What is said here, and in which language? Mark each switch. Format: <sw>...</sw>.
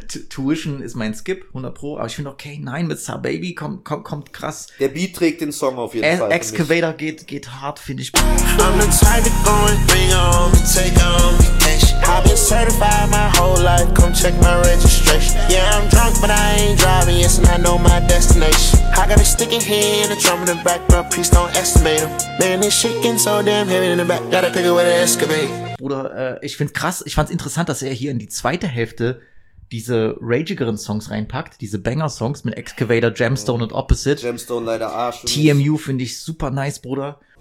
<de>Tuition ist mein Skip, 100 Pro. Aber ich finde, okay, nein, mit Sir Baby kommt krass. Der Beat trägt den Song auf jeden Fall. Excavator geht hart, finde ich.</de> <en>I'm the type of going, bring on. Take on me, cash. I've been certified my whole life. Come check my registration. Yeah, I'm drunk, but I ain't driving. Yes, and I know my destination. I got a stick in here and a drum in the back, but please don't estimate them. Man, this shit getting so damn heavy in the back. Gotta pick it with an excavator.</en> <de>Bruder, ich find's krass. Ich fand's interessant, dass er hier in die zweite Hälfte diese ragigeren Songs reinpackt, diese Banger-Songs mit Excavator, Gemstone und Opposite. Gemstone leider Arsch. TMU finde ich super nice, Bruder.</de>